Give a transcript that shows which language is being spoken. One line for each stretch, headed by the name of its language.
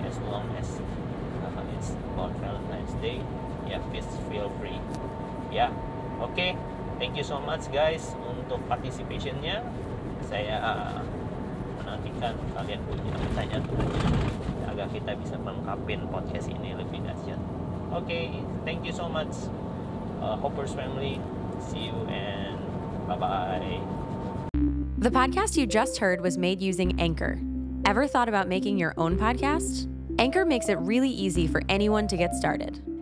English: As long as it's about Valentine's Day, yeah, please feel free. Yeah, okay. Thank you so much guys untuk participation-nya.
Indonesian: Saya menantikan kalian punya pertanyaan-pertanyaan agar kita bisa melengkapin podcast ini lebih dahsyat.
English: Okay, thank you so much Hoppers family. See you and bye-bye. The podcast you just heard was made using Anchor. Ever thought about making your own podcast? Anchor makes it really easy for anyone to get started.